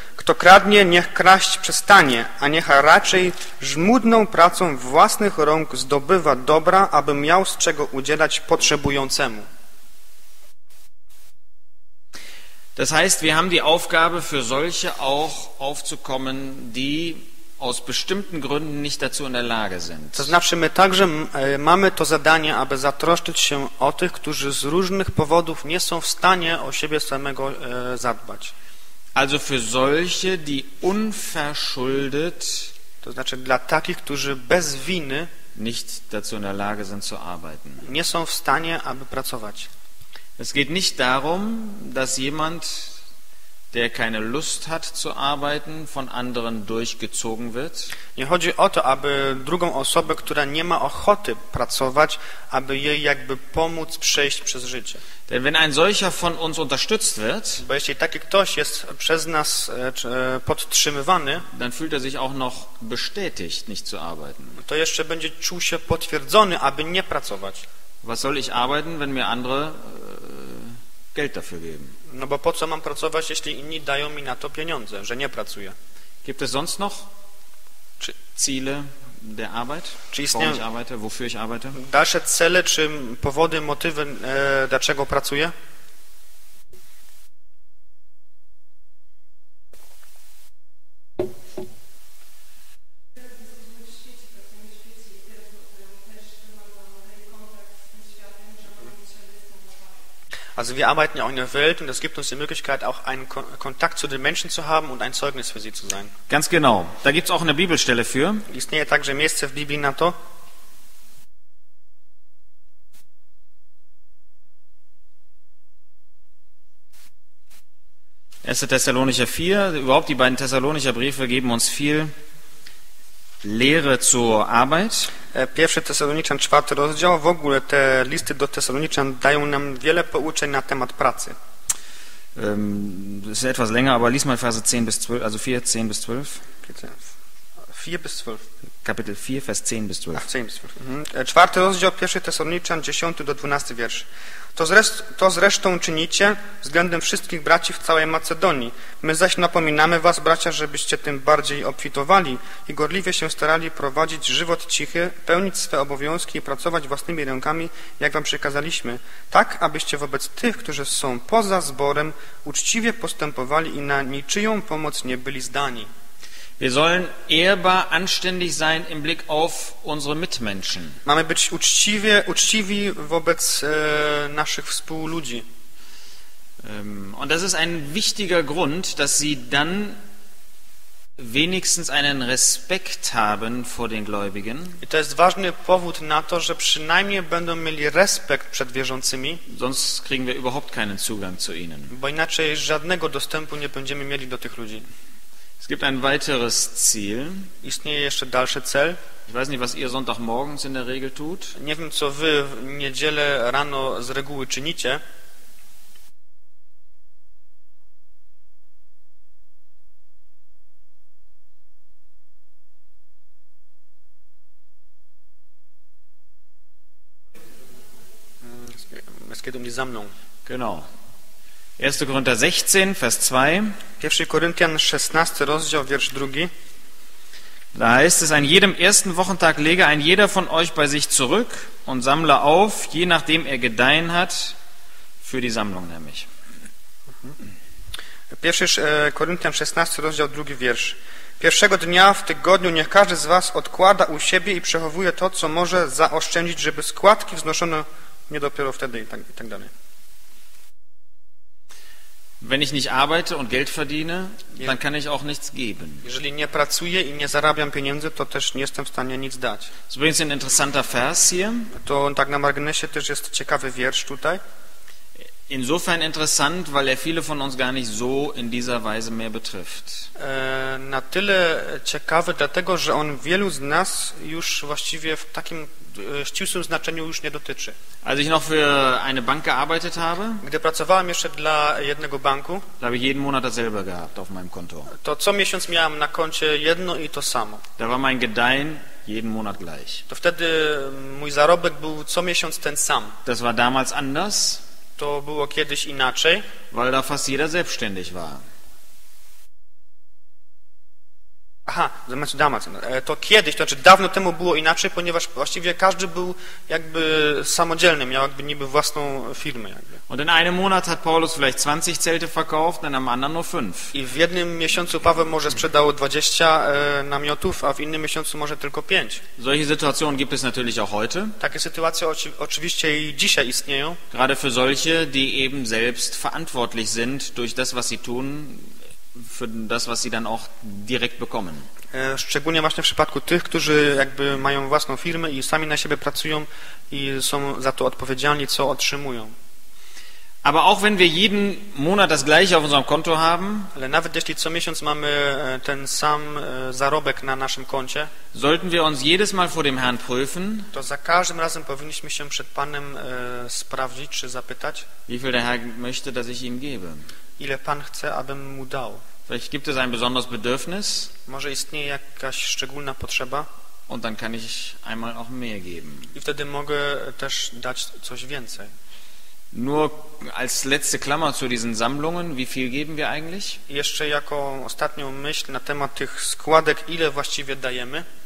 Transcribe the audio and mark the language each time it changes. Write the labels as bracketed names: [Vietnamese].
[Polish] Kto kradnie, niech kraść przestanie, a niech raczej żmudną pracą własnych rąk zdobywa dobra, aby miał z czego udzielać potrzebującemu. [German] Das heißt, wir haben die Aufgabe, für solche auch aufzukommen, die aus bestimmten Gründen nicht dazu in der Lage sind. [Polish] To znaczy, my także mamy to zadanie, aby zatroszczyć się o tych, którzy z różnych powodów nie są w stanie o siebie samego zadbać. [German] Also für solche, die unverschuldet, [Polish] to znaczy dla takich, którzy bez winy [German] nicht dazu in der Lage sind zu arbeiten. [Polish] Nie są w stanie, aby pracować. [German] Es geht nicht darum, dass jemand der keine Lust hat zu arbeiten, von anderen durchgezogen wird. [Polish] Nie chodzi o to, aby drugą osobę, która nie ma ochoty pracować, aby jej jakby pomóc przejść przez życie. [German] Denn wenn ein solcher von uns unterstützt wird, [Polish] bo jeśli taki ktoś jest przez nas podtrzymywany, [German] dann fühlt sich auch noch bestätigt, nicht zu arbeiten. [Polish] To jeszcze będzie czuł się potwierdzony, aby nie pracować. [German] Was soll ich arbeiten, wenn mir andere Geld dafür geben? [Polish] No bo po co mam pracować, jeśli inni dają mi na to pieniądze, że nie pracuję? [German] Gibt es sonst noch Ziele der Arbeit? [Polish] Czy istnieją [German] ich arbeite, wofür ich arbeite? [Polish] Dalsze cele, czy powody, motywy, dlaczego pracuję? [German] Also wir arbeiten ja auch in der Welt und das gibt uns die Möglichkeit, auch einen Kontakt zu den Menschen zu haben und ein Zeugnis für sie zu sein. Ganz genau. Da gibt es auch eine Bibelstelle für. [Polish] Istnieje także miejsce w Biblii na to. [German] Erste Thessalonicher 4. Überhaupt die beiden Thessalonicher Briefe geben uns viel Lehre zur Arbeit. [Polish] Pierwszy Tesaloniczan, czwarty rozdział, w ogóle te listy do Tesaloniczan dają nam wiele pouczeń na temat pracy. [German] Jest etwas länger, aber lies mal Verse 10 bis 12, also 4, 10 bis 12. 4 bis 12. Kapitel 4, Vers 10 bis 12. Ach, 10 bis 12. Mhm. [Polish] Czwarty rozdział, pierwszy Tesaloniczan, 10 do 12 wiersz. To zresztą czynicie względem wszystkich braci w całej Macedonii. My zaś napominamy was, bracia, żebyście tym bardziej obfitowali i gorliwie się starali prowadzić żywot cichy, pełnić swe obowiązki i pracować własnymi rękami, jak wam przekazaliśmy, tak abyście wobec tych, którzy są poza zborem, uczciwie postępowali i na niczyją pomoc nie byli zdani. [German] Wir sollen ehrbar anständig sein im Blick auf unsere Mitmenschen. [Polish] Mamy być uczciwi wobec naszych współludzi. [German] Und das ist ein wichtiger Grund, dass sie dann wenigstens einen Respekt haben vor den Gläubigen. [Polish] I to jest ważny powód na to, że przynajmniej będą mieli respekt przed wierzącymi. [German] Sonst kriegen wir überhaupt keinen Zugang zu ihnen. [Polish] Bo inaczej żadnego dostępu nie będziemy mieli do tych ludzi. [German] Es gibt ein weiteres Ziel. [Polish] Istnieje jeszcze dalsze cel. [German] Ich weiß nicht, was ihr Sonntagmorgens in der Regel tut. [Polish] Nie wiem, co wy w niedzielę rano z reguły czynicie. [German] Es geht um die Sammlung. Genau. 1. Korinther 16, Vers 2. [Polish] 1. Korinthian 16, rozdział, wiersz 2. [German] Da heißt es, an jedem ersten Wochentag lege ein jeder von euch bei sich zurück und sammle auf, je nachdem er gedeihen hat, für die Sammlung nämlich. [Polish] 1. Korinthian 16, rozdział 2, wiersz. Pierwszego dnia w tygodniu niech każdy z was odkłada u siebie i przechowuje to, co może zaoszczędzić, żeby składki wznoszono nie dopiero wtedy i tak dalej. [German] Wenn ich nicht arbeite und Geld verdiene, dann kann ich auch nichts geben. [Polish] Jeżeli nie pracuję i nie zarabiam pieniędzy, to też nie jestem w stanie nic dać. [German] So übrigens ein interessanter Vers hier. [Polish] To tak na marginesie też jest ciekawy wiersz tutaj. [German] Insofern interessant, weil er viele von uns gar nicht so in dieser Weise mehr betrifft. [Polish] Na tyle ciekawy, dlatego że on wielu z nas już właściwie w takim ścisłym znaczeniu już nie dotyczy. [German] Als ich noch für eine Bank gearbeitet habe, [Polish] gdy pracowałem jeszcze dla jednego banku, [German] da habe ich jeden Monat dasselbe gehabt auf meinem Konto. [Polish] To co miesiąc miałem na koncie jedno i to samo. [German] Da war mein Gedeihen jeden Monat gleich. [Polish] To wtedy mój zarobek był co miesiąc ten sam. [German] Das war damals anders. [Polish] To było kiedyś inaczej, [German] weil da fast jeder selbstständig war. [Polish] Aha, zamiast damac. To kiedyś, to znaczy dawno temu było inaczej, ponieważ właściwie każdy był jakby samodzielny, miał jakby niby własną firmę. Jakby. [German] Und in einem Monat hat Paulus vielleicht 20 Zelte verkauft, in einem anderen nur 5. [Polish] I w jednym miesiącu Paweł może sprzedał 20 namiotów, a w innym miesiącu może tylko 5. [German] Solche Situationen gibt es natürlich auch heute. [Polish] Takie sytuacje oczywiście i dzisiaj istnieją. [German] Gerade für solche, die eben selbst verantwortlich sind durch das, was sie tun, für das, was sie dann auch direkt bekommen. [Polish] Szczególnie właśnie w przypadku tych, którzy jakby mają własną firmę i sami na siebie pracują i są za to odpowiedzialni, co otrzymują. [German] Aber auch wenn wir jeden Monat das gleiche auf unserem Konto haben, [Polish] ale nawet jeśli co miesiąc mamy ten sam zarobek na naszym koncie, [German] sollten wir uns jedes Mal vor dem Herrn prüfen, [Polish] to za każdym razem powinniśmy się przed Panem sprawdzić czy zapytać, [German] wie viel der Herr möchte, dass ich ihm gebe. [Polish] Ile Pan chce, abym mu dał. [German] Vielleicht gibt es ein besonderes Bedürfnis, [Polish] może istnieje jakaś szczególna potrzeba, [German] und dann kann ich einmal auch mehr geben. [Polish] I wtedy mogę też dać coś więcej. [German] Nur als letzte Klammer zu diesen Sammlungen, wie viel geben wir eigentlich? [Polish] Jeszcze jako ostatnią myśl na temat tych składek, ile właściwie dajemy?